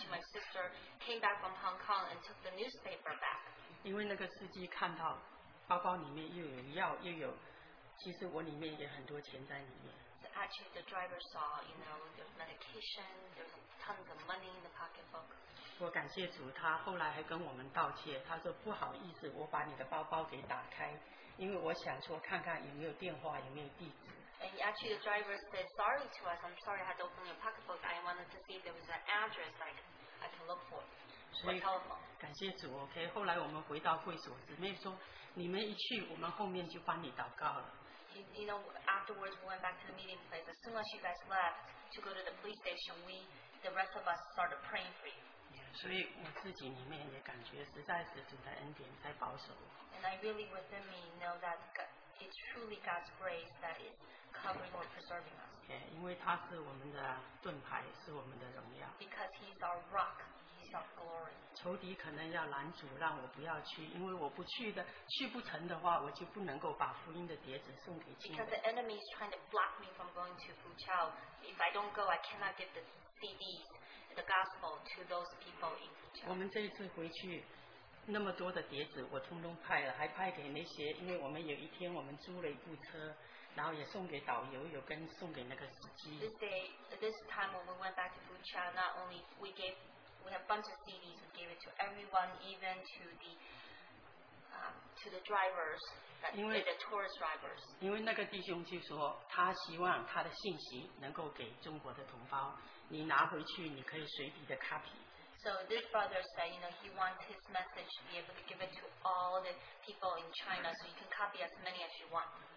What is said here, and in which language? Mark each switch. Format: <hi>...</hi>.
<en>Actually, my sister came back from Hong Kong and took the newspaper back.</en> <zh>因为那个司机看到包包里面又有药又有，其实我里面也很多钱在里面。</zh> <en>So actually, the driver saw, you know, there's medication, there's tons of money in the pocketbook.</en> <zh>我感谢主，他后来还跟我们道歉，他说不好意思，我把你的包包给打开，因为我想说看看有没有电话，有没有地址。</zh> <en>And actually, the driver said sorry to us. I'm sorry, I had to open your pocketbook. I wanted to see if there was an address like I can look for.</en> <zh>所以感谢主 ，OK。后来我们回到会所，姊妹说，你们一去，我们后面就帮你祷告了。</zh> <en>You know, afterwards we went back to the meeting place. As soon as you guys left to go to the police station, the rest of us started praying for you.</en> <zh>所以我自己里面也感觉实在是主的恩典在保守。</zh> <en>And I really within me know that it's truly God's grace that is covering or preserving us.</en> <zh>Okay, 因为他是我们的盾牌，是我们的荣耀。</zh> <en>Because he's our rock, he's our glory.</en> <zh>仇敌可能要拦阻，让我不要去，因为我不去的，去不成的话，我就不能够把福音的碟子送给亲人。</zh> <en>Because the enemy is trying to block me from going to Fuzhou. If I don't go, I cannot give the CDs. The gospel to those people in Fuzhou.</en> <zh>我们这一次回去，那么多的碟子，我通通派了，还派给那些，因为我们有一天我们租了一部车，然后也送给导游，有跟送给那个司机。</zh> <en>This time when we went back to Fuzhou, not only we have a bunch of CDs, we gave it to everyone, even to the drivers, the tourist drivers.</en> <zh>因为那个弟兄就说，他希望他的信息能够给中国的同胞。你拿回去，你可以随笔的 copy。</zh> <en>So this brother said, you know, he wants his message to be able to give it to all the people in China, so you can copy as many as you want.</en>